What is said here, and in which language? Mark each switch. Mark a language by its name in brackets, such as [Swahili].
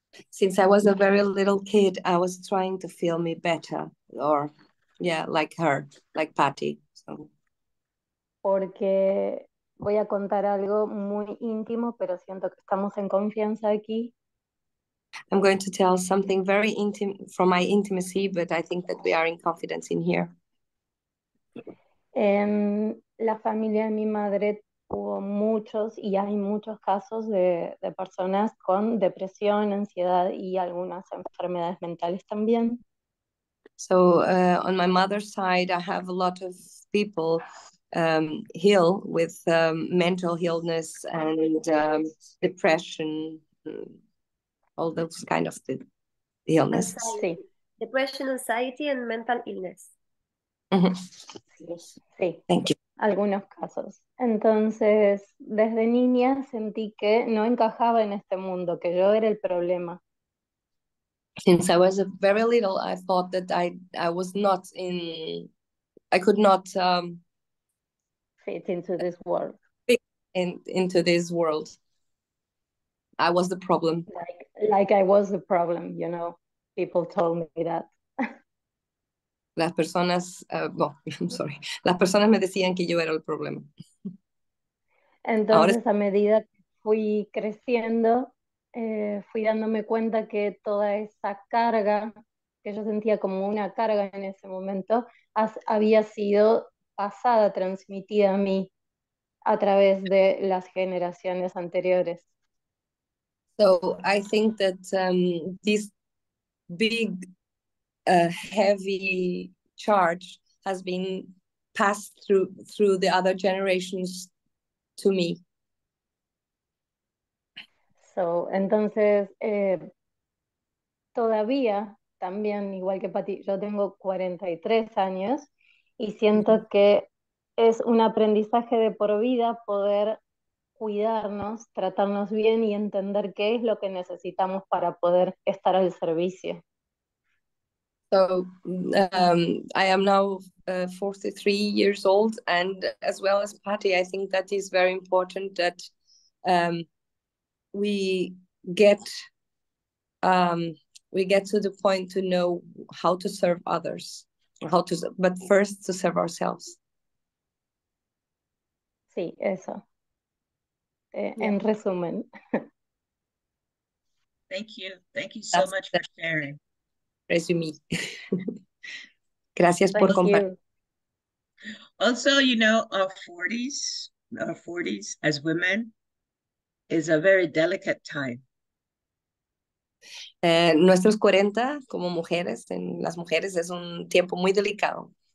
[English] Since I was a very little kid, I was trying to feel me better, or yeah, like her, like Patty. So. [Spanish] Porque voy a contar algo muy íntimo, pero siento que estamos en confianza aquí. [English] I'm going to tell something very intimate from my intimacy, but I think that we are in confidence in here. [Spanish] La familia de mi madre tuvo muchos y hay muchos casos de personas con depresión, ansiedad y algunas enfermedades mentales también. [English] So on my mother's side, I have a lot of people ill with mental illness and depression. All those kind of the illness. [Spanish] Sí. [English] Depression, anxiety, and mental illness. [Spanish] Mm-hmm. Sí. [English] Thank you. [Spanish] Algunos casos. Entonces, desde niña sentí que no encajaba en este mundo, que yo era el problema. [English] Since I was very little, I thought that I was not in, I could not fit into this world. Into this world. I was the problem. Like I was the problem, you know. People told me that. [Spanish] Las personas, [English] I'm sorry. [Spanish] Las personas me decían que yo era el problema. Entonces, ahora, a medida que fui creciendo, fui dándome cuenta que toda esa carga, que yo sentía como una carga en ese momento, había sido pasada, transmitida a mí a través de las generaciones anteriores. [English] So I think that this big, heavy charge has been passed through the other generations to me. [Spanish] So, entonces, todavía, también igual que Patty, yo tengo 43 años y siento que es un aprendizaje de por vida poder cuidarnos, tratarnos bien y entender qué es lo que necesitamos para poder estar al servicio. [English] So, I am now 43 years old, and as well as Patty, I think that is very important that we get to the point to know how to serve others, but first to serve ourselves. [Spanish] Sí, eso. En resumen. [English] Thank you so That's much for sharing. [Spanish] Resumí. Gracias [English] Thank [Spanish] por compartir. [English] Also, you know, our 40s as women is a very delicate time. [Spanish] Nuestros 40 como mujeres, en las mujeres es un tiempo muy delicado.